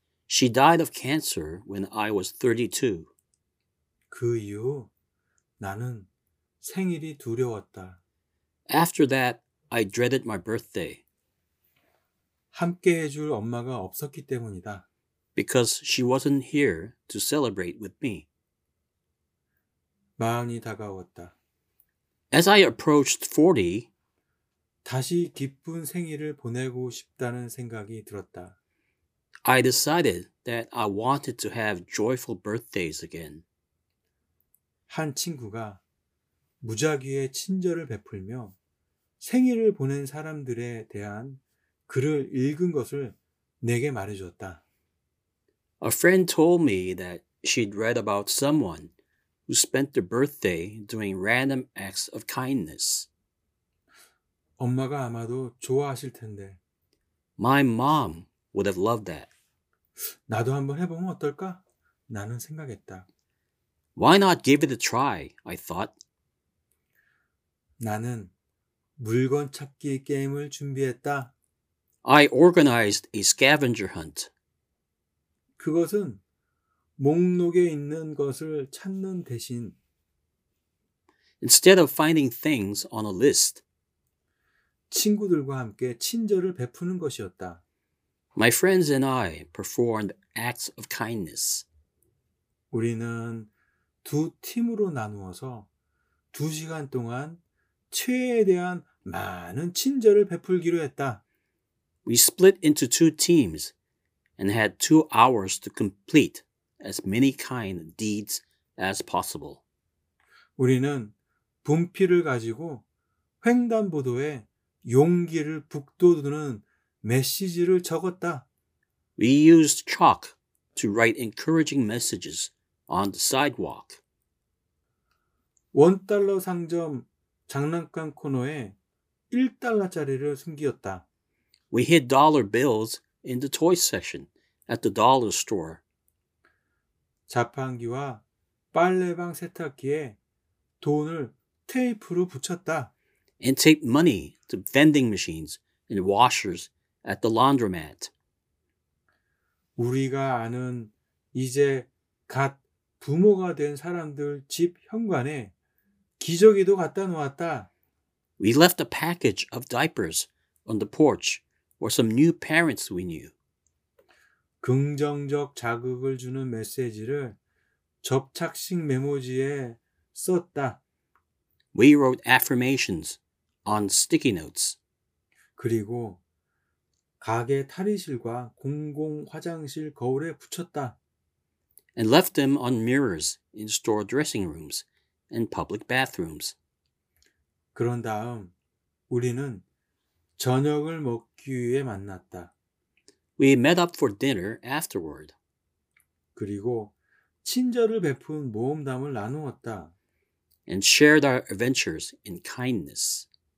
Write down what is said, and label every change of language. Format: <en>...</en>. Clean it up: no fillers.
<en>She died of cancer when I was 32.</en> <ko>그 이후 나는 생일이 두려웠다.</ko> <en>After that, I dreaded my birthday.</en> <ko>함께 해줄 엄마가 없었기 때문이다.</ko> <en>Because she wasn't here to celebrate with me.</en> <ko>마흔이 다가왔다.</ko> <en>As I approached 40,</en> <ko>다시 기쁜 생일을 보내고 싶다는 생각이 들었다.</ko> <en>I decided that I wanted to have joyful birthdays again.</en> <ko>한 친구가 무작위에 친절을 베풀며 생일을 보낸 사람들에 대한 글을 읽은 것을 내게 말해주었다.</ko> <en>A friend told me that she'd read about someone who spent their birthday doing random acts of kindness.</en> <ko>엄마가 아마도 좋아하실 텐데.</ko> <en>My mom would have loved that.</en> <ko>나도 한번 해보면 어떨까? 나는 생각했다.</ko> <en>Why not give it a try? I thought.</en> <ko>나는 물건 찾기 게임을 준비했다.</ko> <en>I organized a scavenger hunt.</en> <ko>그것은 목록에 있는 것을 찾는 대신</ko> <en>Instead of finding things on a list,</en> <ko>친구들과 함께 친절을 베푸는 것이었다.</ko> <en>My friends and I performed acts of kindness.</en> <ko>우리는 두 팀으로 나누어서 두 시간 동안 최대한 많은 친절을 베풀기로 했다.</ko> <en>We split into two teams and had 2 hours to complete as many kind deeds as possible.</en> <ko>우리는 분필을 가지고 횡단보도에 용기를 북돋우는 메시지를 적었다.</ko> <en>We used chalk to write encouraging messages on the sidewalk.</en> <ko>원달러 상점 장난감 코너에 1달러짜리를 숨기었다.</ko> <en>We hid dollar bills in the toy section at the dollar store.</en> <ko>자판기와 빨래방 세탁기에 돈을 테이프로 붙였다.</ko> <en>And taped money to vending machines and washers at the laundromat.</en> <ko>우리가 아는 이제 갓 부모가 된 사람들 집 현관에 기저귀도 갖다 놓았다.</ko> <en>We left a package of diapers on the porch for some new parents we knew.</en> <ko>긍정적 자극을 주는 메시지를 접착식 메모지에 썼다.</ko> <en>We wrote affirmations on sticky notes.</en> <ko>그리고 가게 탈의실과 공공 화장실 거울에 붙였다.</ko> <en>And left them on mirrors in store dressing rooms and public bathrooms.</en> <ko>그런 다음 우리는 저녁을 먹기 위해 만났다.</ko> <en>We met up for dinner afterward.</en> <ko>그리고 친절을 베푼 모험담을 나누었다.</ko> <en>And shared our adventures in kindness.</en>